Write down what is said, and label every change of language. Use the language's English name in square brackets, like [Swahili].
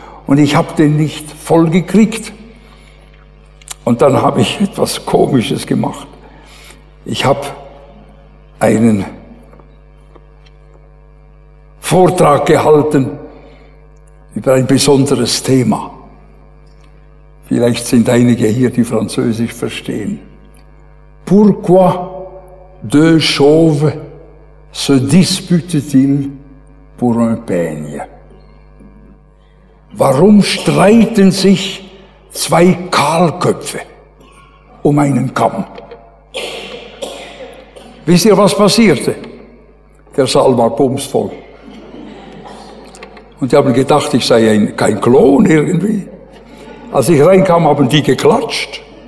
[German] Und ich habe den nicht vollgekriegt. Und dann habe ich etwas Komisches gemacht. Ich habe einen Vortrag gehalten über ein besonderes Thema. Vielleicht sind einige hier, die Französisch verstehen. [French] Pourquoi deux chauves se disputent-ils pour un peigne? [German] Warum streiten sich zwei Kahlköpfe um einen Kamm? Wisst ihr, was passierte? Der Saal war bumsvoll. Und die haben gedacht, ich sei kein Klon irgendwie. Als ich reinkam, haben die geklatscht.